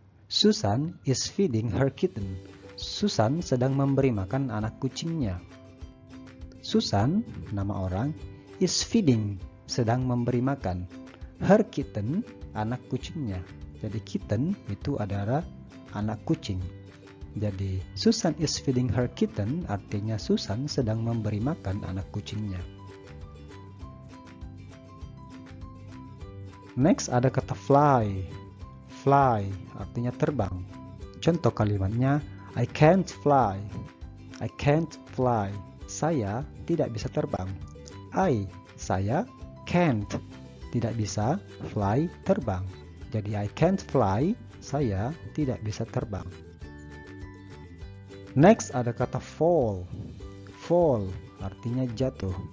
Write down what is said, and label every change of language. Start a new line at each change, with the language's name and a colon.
English: Susan is feeding her kitten.
Indonesian: Susan sedang memberi makan anak kucingnya. Susan, nama orang,
English: is feeding,
Indonesian: sedang memberi makan
English: her kitten,
Indonesian: anak kucingnya. Jadi kitten itu adalah anak kucing. Jadi,
English: Susan is feeding her kitten,
Indonesian: artinya Susan sedang memberi makan anak kucingnya. Next ada kata fly. Fly artinya terbang. Contoh kalimatnya,
English: I can't fly. I can't fly.
Indonesian: Saya tidak bisa terbang. I, saya, can't, tidak bisa, fly, terbang. Jadi,
English: I can't fly,
Indonesian: saya tidak bisa terbang. Next ada kata fall. Fall artinya jatuh.